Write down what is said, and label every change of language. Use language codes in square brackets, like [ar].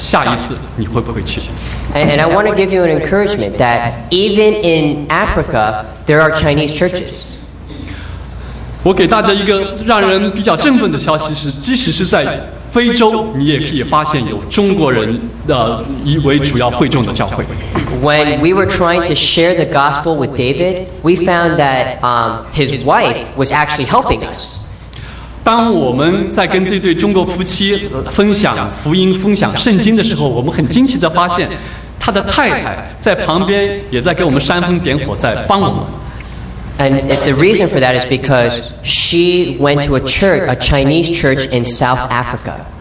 [zh] 所以如果我现在给你们一个挑战的话，你们大概也知道我要说的是什么。希望你们在祷告中间纪念，看下一次你会不会去。 [en] And I want to give you an encouragement that even in Africa, there are Chinese churches. [zh] 我给大家一个让人比较振奋的消息是，即使是在 非洲，你也可以发现有中国人为主要会众的教会。 [en] When we were trying to share the gospel with David, we found that his wife was actually helping us. [zh] 当我们在跟这对中国夫妻分享福音、分享圣经的时候，我们很惊奇地发现，他的太太在旁边也在给我们煽风点火，在帮我们。 [en] And the reason for that is because she went to a church, a Chinese church in South Africa.